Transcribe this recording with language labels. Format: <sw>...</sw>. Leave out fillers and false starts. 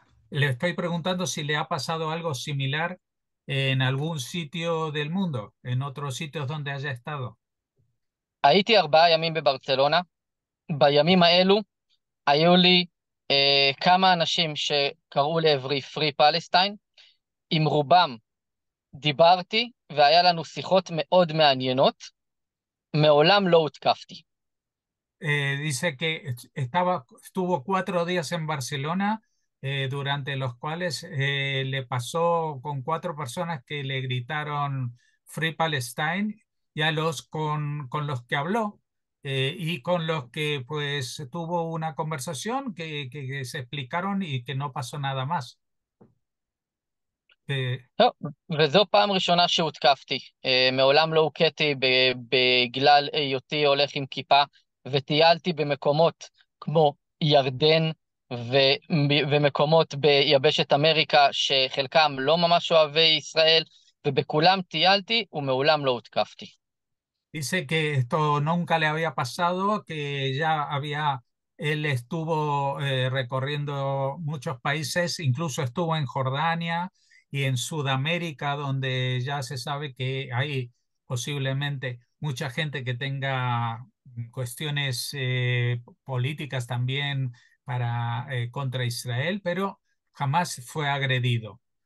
<es>Le estoy preguntando si le ha pasado algo similar en algún sitio del mundo, en otros sitios donde haya estado.</es> <he>הייתי 4 ימים בברצלונה. בימים האלו היו לי כמה אנשים שקראו לעברי</he> <en>Free Palestine.</en> <he>עם רובם דיברתי והיה לנו שיחות מאוד מעניינות. מעולם לא הותקפתי.</he> <es>Dice que estuvo 4 días en Barcelona, durante los cuales le pasó con 4 personas que le gritaron</es> <en>Free Palestine</en> <es>y a los con los que habló y con los que pues tuvo una conversación que se explicaron y que no pasó nada más.</es> <he>לא, וזו פעם ראשונה שהותקפתי. מעולם לא הוכיתי בגלל היותי הולך עם כיפה, וטיילתי במקומות כמו ירדן ומקומות ביבשת אמריקה, שחלקם לא ממש אוהבי ישראל, ובכולם טיילתי ומעולם לא הותקפתי.</he> <es>Dice que esto nunca le había pasado, que ya había, él estuvo recorriendo muchos países, incluso estuvo en Jordania y en Sudamérica, donde ya se sabe que hay posiblemente mucha gente que tenga cuestiones políticas también para contra Israel, pero jamás fue agredido.</es>